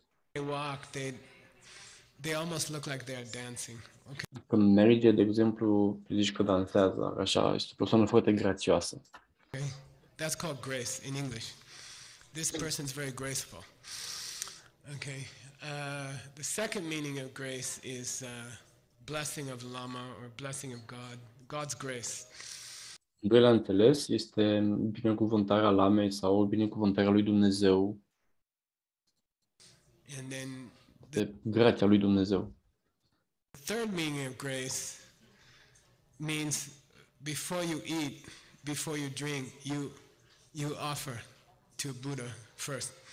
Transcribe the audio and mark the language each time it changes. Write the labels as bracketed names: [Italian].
[English] They walk, they almost look like they are dancing. Okay. [Romanian] Când merge, de exemplu, zici că dansează, așa, este o persoană foarte grațioasă. [English] Okay. That's called grace in English. This person's very graceful. Okay. The second meaning of grace is blessing of Lama or blessing of God, God's grace. [Romanian] Doilea înțeles este binecuvântarea Lamei sau binecuvântarea lui Dumnezeu. [English] And then [Romanian] de grația lui Dumnezeu. [English] The third meaning of grace means before you eat, before you drink, you offer to Buddha first.